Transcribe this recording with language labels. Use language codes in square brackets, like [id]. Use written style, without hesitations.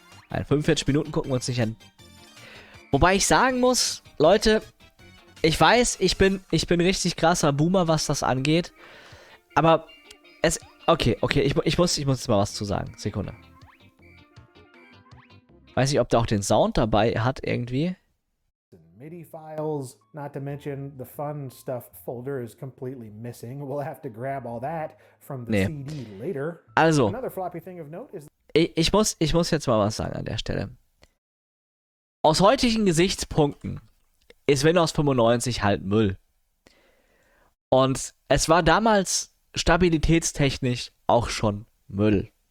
[de] Nein, 45 Minuten gucken wir uns nicht an. Wobei ich sagen muss, Leute, ich weiß, ich bin richtig krasser Boomer, was das angeht. Aber es. Okay, ich muss jetzt mal was zu sagen. Sekunde. Weiß nicht, ob der auch den Sound dabei hat irgendwie. [en] MIDI files, not to mention the fun stuff folder is completely missing. We'll have to grab all that from the CD later. Also, another floppy thing of note is [de] ich muss jetzt mal was sagen an der Stelle. Aus heutigen Gesichtspunkten ist Windows 95 halt Müll. Und es war damals stabilitätstechnisch auch schon Müll.